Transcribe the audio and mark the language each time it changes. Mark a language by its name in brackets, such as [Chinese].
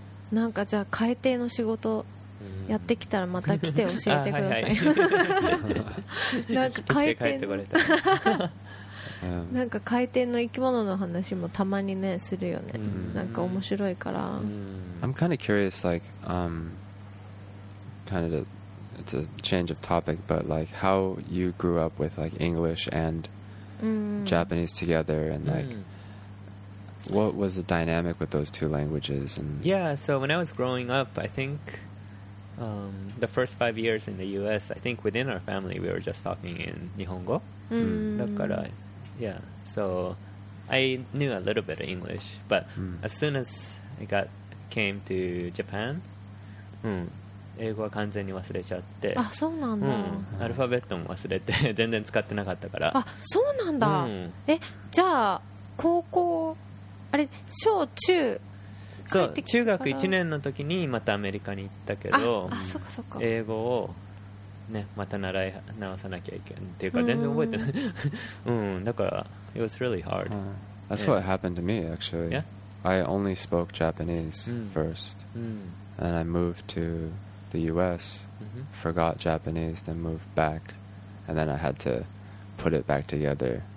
[Japanese] なんかじゃあ海底の仕事やってきたらまた来て教えてください。なんか海底。なんか海底の生き物の話もたまにねするよね。なんか面白いから。 [English] I'm kind of curious, like, kind of a, it's a change of topic, but like how you grew up with like English and Japanese together, and like what was the dynamic with those two languages? And yeah, so when I was growing up, I think the first 5 years in the U.S., I think within our family we were just talking in Nihongo. [Japanese] だから。 [English] Yeah, so I knew a little bit of English, but as soon as I came to Japan, [Japanese] 英語は完全に忘れちゃって。あ、そうなんだ。アルファベットも忘れて全然使ってなかったから。あ、そうなんだ。え、じゃあ高校、あれ、小中そう、中学1年の時にまたアメリカに行ったけど、あ、そうかそうか。英語をね、また習い直さなきゃいけんっていうか全然覚えてない。だから [English] it was really hard. That's what happened to me actually. I only spoke Japanese first, and I moved to the U.S. Forgot Japanese, then moved back, and then I had to put it back together.